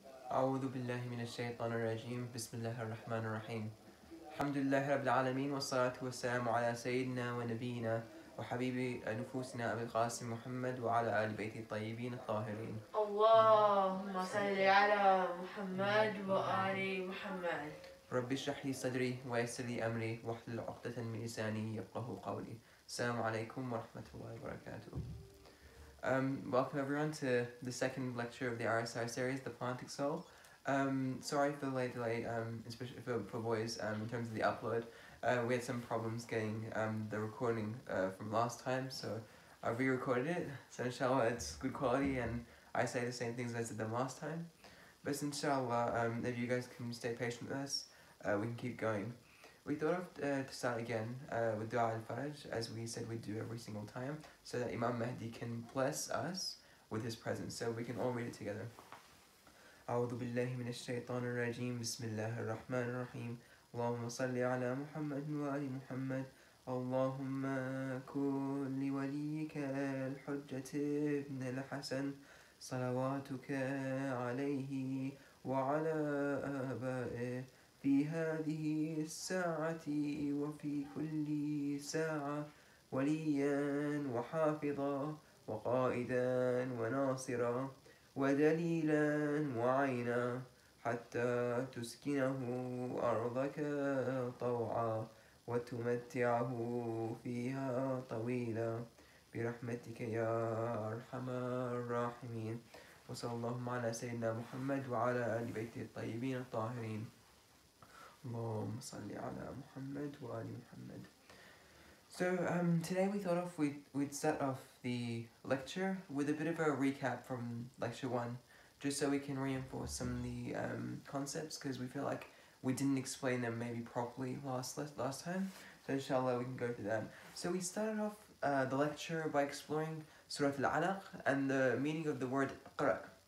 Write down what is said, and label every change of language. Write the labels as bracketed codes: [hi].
[ar] أعوذ بالله من الشيطان الرجيم بسم الله الرحمن الرحيم الحمد لله رب العالمين والصلاة والسلام على سيدنا ونبينا وحبيب نفوسنا أبي القاسم محمد وعلى آل بيته الطيبين الطاهرين اللهم صل على محمد وآل محمد ربي اشرح لي صدري ويسر لي أمري واحلل عقدة من لساني يفقهوا قولي السلام عليكم ورحمة الله وبركاته. [en] Welcome everyone to the second lecture of the RSR series, The Plantic Soul. Sorry for the late delay, especially for boys, in terms of the upload. We had some problems getting the recording from last time, so I re-recorded it. So inshallah, it's good quality, and I say the same things as I said them last time. But inshallah, if you guys can stay patient with us, we can keep going. We thought of to start again with Dua al-Faraj, as we said we do every single time, so that Imam Mahdi can bless us with his presence, so we can all read it together. [ar] أعوذ بالله من الشيطان الرجيم بسم الله الرحمن الرحيم اللهم صل على محمد وآل محمد اللهم كن لوليك الحجة ابن الحسن صلواتك عليه وعلى آبائه في هذه الساعة وفي كل ساعة وليا وحافظا وقائدا وناصرا ودليلا وعينا حتى تسكنه أرضك طوعا وتمتعه فيها طويلا برحمتك يا أرحم الراحمين وصلى الله على سيدنا محمد وعلى آل بيته الطيبين الطاهرين اللهم صل على محمد وآل محمد. [en] So today we thought off we'd set off the lecture with a bit of a recap from lecture one, just so we can reinforce some of the concepts, because we feel like we didn't explain them maybe properly last time. So inshallah we can go through that. So we started off the lecture by exploring Surah Al-Alaq and the meaning of the word qara.